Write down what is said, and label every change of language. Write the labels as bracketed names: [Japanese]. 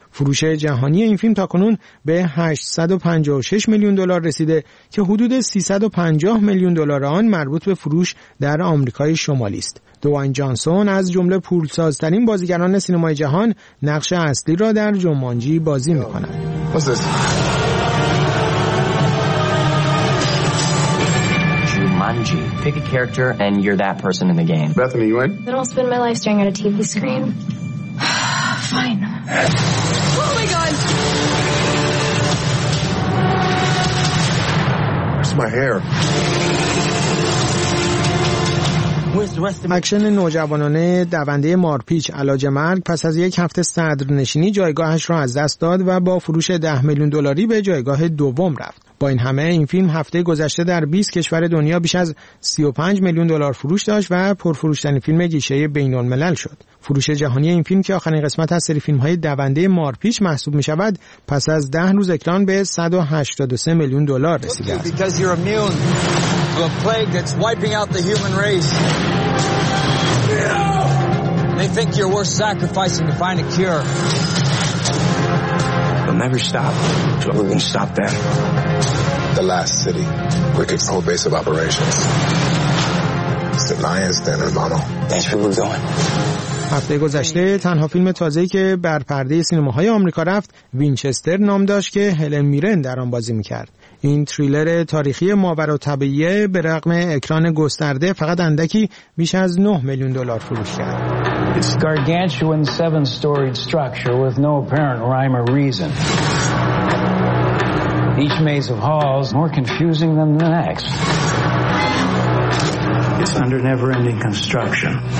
[Persian] فروش جهانی این فیلم تا کنون به 856 میلیون دلار رسیده که حدود 350 میلیون دلار آن مربوط به فروش در آمریکای شمالی است. دوان جانسون از جمله پولسازترین بازیگران سینمای جهان نقش اصلی را در جومانجی بازی می‌کند. [English] Pick a character and you're that person in the game. Bethany, you in? Then I'll spend my life staring at a TV screen. Fine. Oh my god! Where's my hair? [Persian] اکشن نوجوانانه دونده مارپیچ علاج مرگ پس از یک هفته صدرنشینی جایگاهش را از دست داد و با فروش 10 میلیون دلاری به جایگاه دوم رفت. با این همه این فیلم هفته گذشته در 20 کشور دنیا بیش از 35 میلیون دلار فروش داشت و پرفروش‌ترین فیلم گیشه بین‌الملل شد. فروش جهانی این فیلم که آخرین قسمت از سری فیلم‌های دونده مارپیچ محسوب می‌شود پس از 10 روز اکران به 183 میلیون دلار رسید. [English] The plague that's wiping out the human race. They think you're worth sacrificing to find a cure. They'll never stop. So we won't stop them. The last city with its whole base of operations. It's the Lion's Den, hermano. Thanks for going. [Persian] هفته گذشته تنها فیلم تازه‌ای که بر پرده سینماهای آمریکا رفت وینچستر نام داشت که هلن میرن در آن بازی می‌کرد. این تریلر تاریخی ماوراءطبیعه به رغم اکران گسترده فقط اندکی بیش از 9 میلیون دلار فروش کرد. [English] It's a gargantuan seven-story structure with no apparent rhyme or reason. Each maze of halls more confusing than the next. It's under never-ending construction.